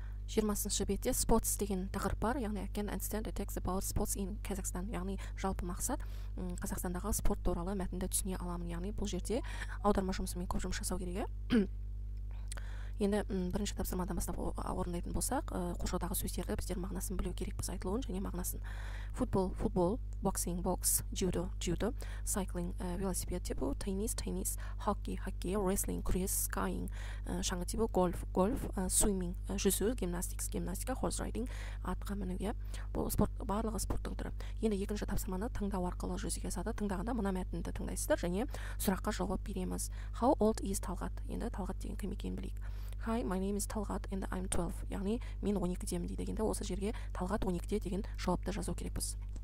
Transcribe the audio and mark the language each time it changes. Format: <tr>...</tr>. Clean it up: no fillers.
<kk>20-шы бетте sports деген тақырып бар, яғни</kk> <en>can understand the text about sports in Kazakhstan,</en> <kk>яғни жалпы мақсат Қазақстандағы спорт туралы мәтінді түсіне аламын, яғни бұл жерде аударма жұмысымен көп жұмыс жасау керек. Енді бірінші тапсырмадан бастап орындайтын болсақ, қоршаудағы сөздерді біздер мағынасын білу керекпіз, айтылуын және мағынасын. Футбол, футбол, боксинг, бокс, дзюдо, дзюдо, сайклинг, велосипед типу, теннис, теннис, хоккей, хоккей, рестлинг, крес, скайинг, шаңғы типу, гольф, гольф, суиминг, жүзу, гимнастикс, гимнастика, хорс райдинг, атқа мінуге. Бұл спорт, барлығы спорттың түрі. Енді екінші тапсырманы таңдау арқылы жүзеге асады. Таңдағанда мына мәтінді таңдайсыздар және сұраққа жауап береміз.</kk> <en>How old is Талғат?</en> <kk>Енді Талғат деген кім екенін білейік.</kk> <en>Hi, my name is Талғат and I'm 12.</en> <kk>Яғни мен 12-демін дегенде осы жерге Талғат 12-де деген жауапты жазу керекпіз.</kk>